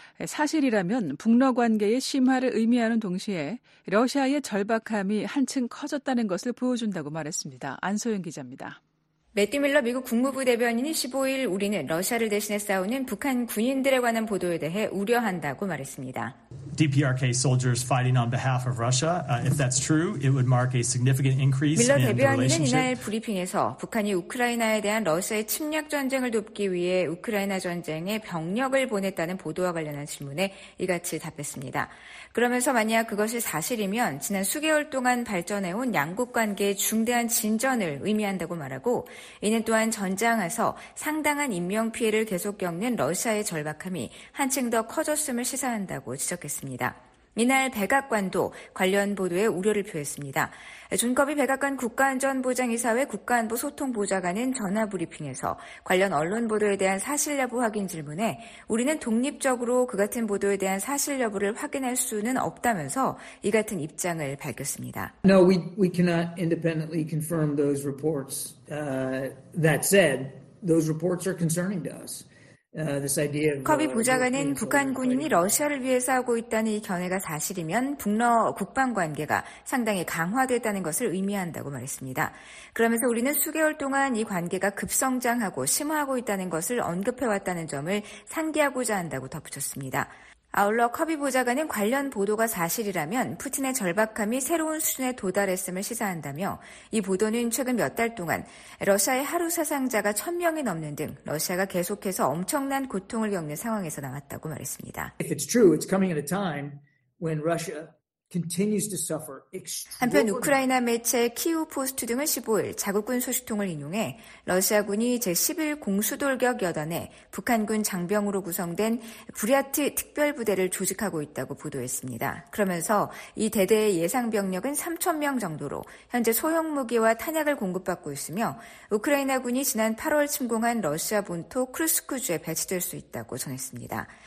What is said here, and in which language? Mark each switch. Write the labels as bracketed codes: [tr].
[ko] 사실이라면 북러 관계의 심화를 의미하는 동시에 러시아의 절박함이 한층 커졌다는 것을 보여준다고 말했습니다. 안소영 기자입니다. 매티 밀러 미국 국무부 대변인이 15일 우리는 러시아를 대신해 싸우는 북한 군인들에 관한 보도에 대해 우려한다고 말했습니다. [en] DPRK soldiers fighting on behalf of Russia. If that's true, it would mark a significant increase in the relationship. [ko] 밀러 대변인은 이날 브리핑에서 북한이 우크라이나에 대한 러시아의 침략 전쟁을 돕기 위해 우크라이나 전쟁에 병력을 보냈다는 보도와 관련한 질문에 이같이 답했습니다. 그러면서 만약 그것이 사실이면 지난 수개월 동안 발전해온 양국 관계의 중대한 진전을 의미한다고 말하고 이는 또한 전장에서 상당한 인명 피해를 계속 겪는 러시아의 절박함이 한층 더 커졌음을 시사한다고 지적했습니다. 이날 백악관도 관련 보도에 우려를 표했습니다. 존 커비 백악관 국가안전보장이사회 국가안보소통보좌관은 전화브리핑에서 관련 언론 보도에 대한 사실 여부 확인 질문에 우리는 독립적으로 그 같은 보도에 대한 사실 여부를 확인할 수는 없다면서 이 같은 입장을 밝혔습니다. [en] No, we cannot independently confirm those reports. That said, those reports are concerning to us. [ko] 커비 보좌관은 북한 군인이 러시아를 위해 싸우고 있다는 이 견해가 사실이면 북러 국방관계가 상당히 강화됐다는 것을 의미한다고 말했습니다. 그러면서 우리는 수개월 동안 이 관계가 급성장하고 심화하고 있다는 것을 언급해왔다는 점을 상기하고자 한다고 덧붙였습니다. 아울러 커비 보좌관은 관련 보도가 사실이라면 푸틴의 절박함이 새로운 수준에 도달했음을 시사한다며 이 보도는 최근 몇 달 동안 러시아의 하루 사상자가 1,000명이 넘는 등 러시아가 계속해서 엄청난 고통을 겪는 상황에서 나왔다고 말했습니다. [en] If it's true, it's coming at a time when Russia continues to suffer extreme. [ko] 한편 우크라이나 매체 키우 포스트 등은 15일 자국군 소식통을 인용해 러시아군이 제11 공수돌격 여단에 북한군 장병으로 구성된 부랴트 특별부대를 조직하고 있다고 보도했습니다. 그러면서 이 대대의 예상 병력은 3,000명 정도로 현재 소형 무기와 탄약을 공급받고 있으며 우크라이나군이 지난 8월 침공한 러시아 본토 크루스크주에 배치될 수 있다고 전했습니다.